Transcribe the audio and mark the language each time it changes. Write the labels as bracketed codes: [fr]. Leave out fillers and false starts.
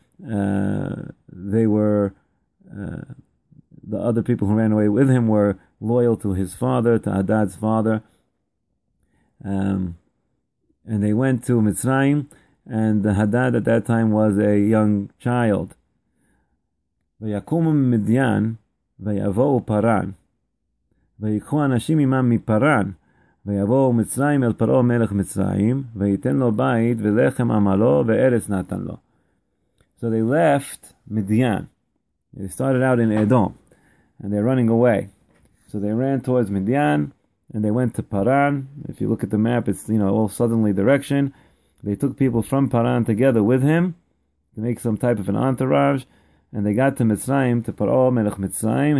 [en] They were the other people who ran away with him were loyal to his father, to Hadad's father. And they went to Mitzrayim, and Hadad at that time was a young child. [he] Vayakumu Midyan, vayavou Paran. ויקחו אנשים עמם מפרן, ויבואו מצרים אל פרעה מלך מצרים, ויתן לו בית ולחם עמלו וארץ נתן לו. [en] So they left Midian. They started out in Edom, and they're running away. So they ran towards Midian, and they went to Paran. If you look at the map, it's, you know, all southerly direction. They took people from Paran together with him to make some type of an entourage, and they got to Mitzrayim, to Paroh, Melech Mitzrayim.